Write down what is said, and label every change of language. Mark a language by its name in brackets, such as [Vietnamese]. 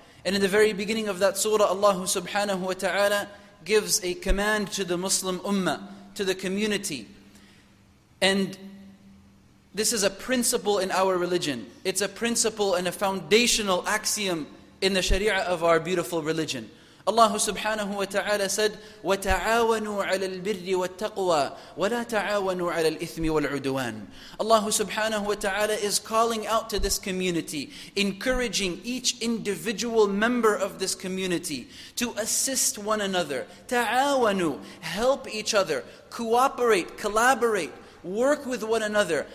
[English] And in the very beginning of that surah, Allah subhanahu wa ta'ala gives a command to the Muslim ummah, to the community. And this is a principle in our religion. It's a principle and a foundational axiom in the sharia of our beautiful religion. [Arabic] Allah subhanahu wa ta'ala [English] said, [Arabic] وَتَعَاوَنُوا عَلَى الْبِرِّ وَالتَّقْوَى وَلَا تَعَاوَنُوا عَلَى الْإِثْمِ وَالْعُدُوَانِ. [English] Allah subhanahu wa ta'ala is calling out to this community, encouraging each individual member of this community to assist one another. [Arabic] تَعَاوَنُوا, [English] help each other, cooperate, collaborate, work with one another.